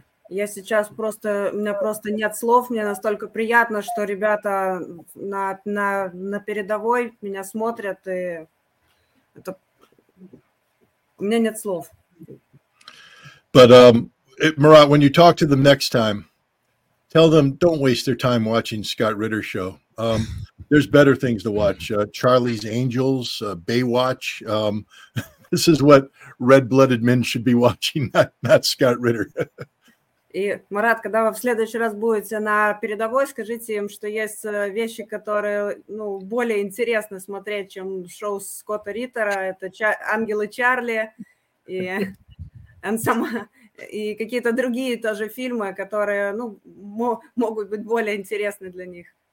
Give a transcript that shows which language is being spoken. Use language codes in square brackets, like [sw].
[ru] Я сейчас просто, у меня просто нет слов, мне настолько приятно, что ребята на передовой меня смотрят, и это, у меня нет слов. [en] But, Murat, when you talk to them next time, tell them don't waste their time watching Scott Ritter's show. There's better things to watch. Charlie's Angels, Baywatch, this is what red-blooded men should be watching, not Scott Ritter. [ru] И, Марат, когда вы в следующий раз будете на передовой, скажите им, что есть вещи, которые ну, более интересно смотреть, чем шоу Скотта Риттера. Это «Ангелы Чарли» и какие-то другие тоже фильмы, которые ну, могут быть более интересны для них.